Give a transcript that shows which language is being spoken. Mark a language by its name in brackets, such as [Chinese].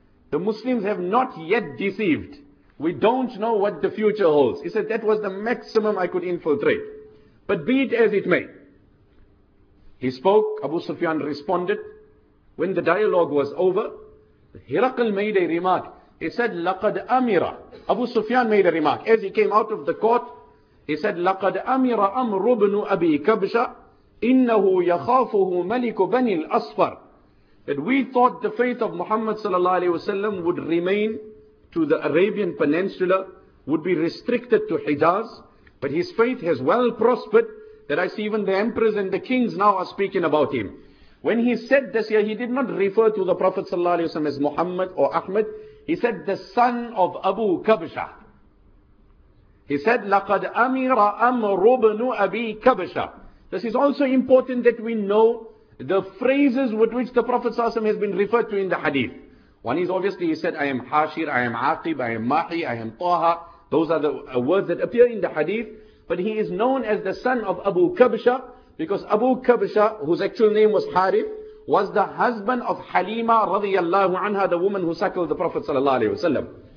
[English] The Muslims have not yet deceived, we don't know what the future holds. He said, that was the maximum I could infiltrate. But be it as it may. He spoke, Abu Sufyan responded. When the dialogue was over, Hiraql made a remark. He said, [Arabic] لَقَدْ أَمِرَ. [English] Abu Sufyan made a remark. As he came out of the court, he said, [Arabic] لَقَدْ أَمِرَ أَمْرُ بْنُ أَبِي كَبْشَ إِنَّهُ يَخَافُهُ مَلِكُ بَنِي الْأَصْفَرِ. [English] That we thought the faith of Muhammad sallallahu alaihi wasallam would remain to the Arabian Peninsula, would be restricted to Hijaz, but his faith has well prospered, that I see even the emperors and the kings now are speaking about him. When he said this here, he did not refer to the Prophet sallallahu alaihi wasallam as Muhammad or Ahmed. He said, the son of Abu Kabsha. He said, [Arabic] لَقَدْ أَمِرَ أَمْرُ بْنُ أَبِي كَبْشَ. [English] This is also important that we know the phrases with which the Prophet sallallahu alaihi wasallam has been referred to in the hadith. One is obviously, he said, I am Hashir, I am Aqib, I am Mahi, I am Taha. Those are the words that appear in the hadith. But he is known as the son of Abu Kabsha, because Abu Kabsha, whose actual name was Harith, was the husband of Halima radiyallahu anha, the woman who suckled the Prophet sallallahu alaihi wasallam.